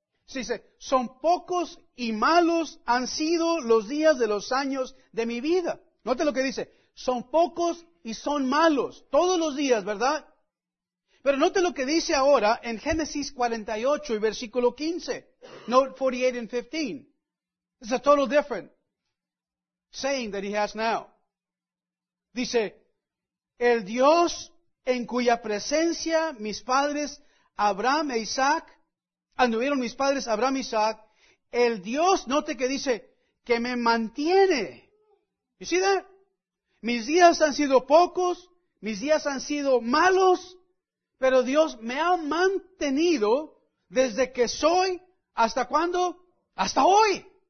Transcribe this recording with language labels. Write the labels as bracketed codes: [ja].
[es] Se dice, son pocos y malos han sido los días de los años de mi vida. Note lo que dice, son pocos y son malos, todos los días, ¿verdad? Pero note lo que dice ahora en Génesis 48 y versículo 15. [en] Note 48 and 15. It's a total different saying that he has now. [es] Dice, el Dios en cuya presencia mis padres Abraham e Isaac anduvieron mis padres Abraham y Isaac, el Dios, note que dice, que me mantiene. ¿Y si da? Mis días han sido pocos, mis días han sido malos, pero Dios me ha mantenido desde que soy, ¿hasta cuándo? Hasta hoy.